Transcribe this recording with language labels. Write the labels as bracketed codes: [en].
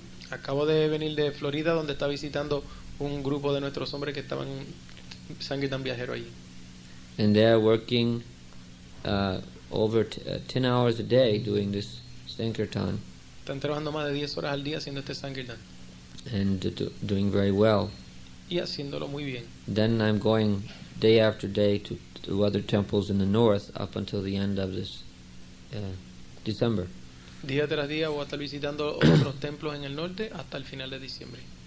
[es] Acabo de venir de Florida, donde está visitando un grupo de nuestros hombres que estaban sankirtan viajero allí. [en] And they are working over 10 hours a day doing this sankirtan. [es] Están trabajando más de 10 horas al día haciendo este sankirtan. [en] And doing very well. [es] Y haciéndolo muy bien. [en] Then I'm going day after day to other temples in the north up until the end of this December. [es] Día tras día voy a estar visitando otros templos en el norte hasta el final de diciembre.